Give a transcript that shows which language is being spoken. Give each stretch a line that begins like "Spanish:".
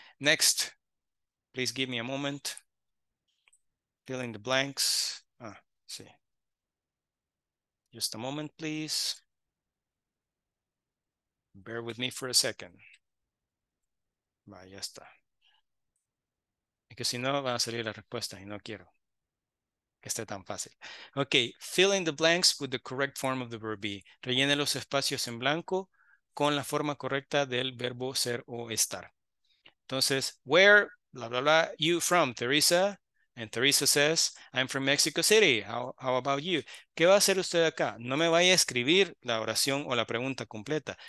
English: Next. Please give me a moment. Fill in the blanks. Ah, sí. Just a moment, please. Bear with me for a second.
Spanish: Va, ya está. Que si no, van a salir las respuestas y no quiero que esté tan fácil.
English: Ok, fill in the blanks with the correct form of the verb be.
Spanish: Rellene los espacios en blanco con la forma correcta del verbo ser o estar.
English: Entonces, where, bla, bla, bla, you from, Teresa? And Teresa says, I'm from Mexico City. How about you?
Spanish: ¿Qué va a hacer usted acá? No me vaya a escribir la oración o la pregunta completa.